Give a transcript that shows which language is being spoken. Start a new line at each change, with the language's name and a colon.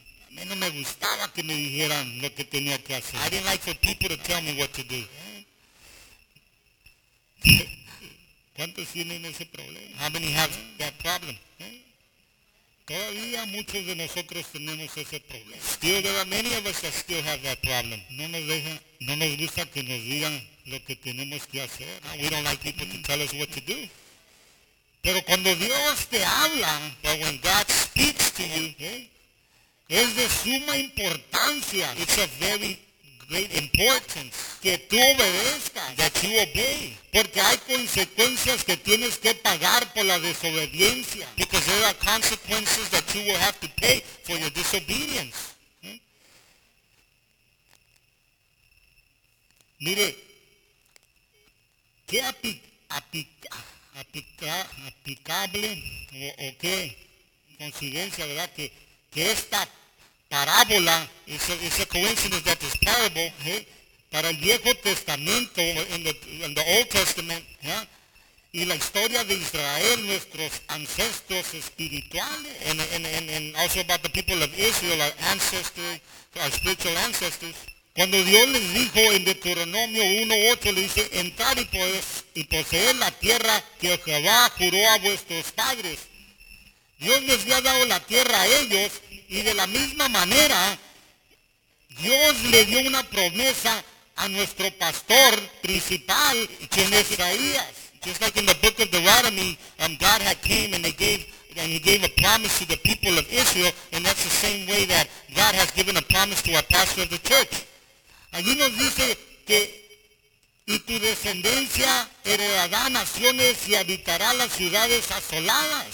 Spanish: A mí no me gustaba que me dijeran lo que tenía que hacer.
English: I didn't like for people to tell me what to do.
Spanish: ¿Cuántos tienen ese problema?
English: How many have that problem?
Spanish: Todavía muchos de nosotros tenemos ese problema.
English: Still, there are many of us that still have that problem.
Spanish: No nos gusta que nos digan lo que tenemos que hacer.
English: No, we don't like people to tell us what to do.
Spanish: Pero cuando Dios te habla,
English: but when God speaks to you,
Spanish: es de suma importancia.
English: It's a very great importance
Spanish: que tú obedezcas.
English: That you obey.
Spanish: Porque hay consecuencias que tienes que pagar por la desobediencia.
English: Because there are consequences that you will have to pay for your disobedience.
Spanish: Mire, ¿qué aplicable o qué coincidencia, verdad, que esta parábola,
English: it's a coincidence that this parable,
Spanish: hey, para el Viejo Testamento,
English: in the Old Testament,
Spanish: yeah, y la historia de Israel, nuestros ancestros espirituales,
English: and also about the people of Israel, our spiritual ancestors,
Spanish: cuando Dios les dijo en Deuteronomio 1:8, le dice, entrar y poseer la tierra que Jehová juró a vuestros padres. Dios les había dado la tierra a ellos, y de la misma manera, Dios le dio una promesa a nuestro pastor principal, quien es Isaías.
English: Just like in the book of Deuteronomy, God had came and he gave a promise to the people of Israel, and that's the same way that God has given a promise to our pastor of the church.
Spanish: Allí nos dice que, y tu descendencia heredará naciones y habitará las ciudades asoladas.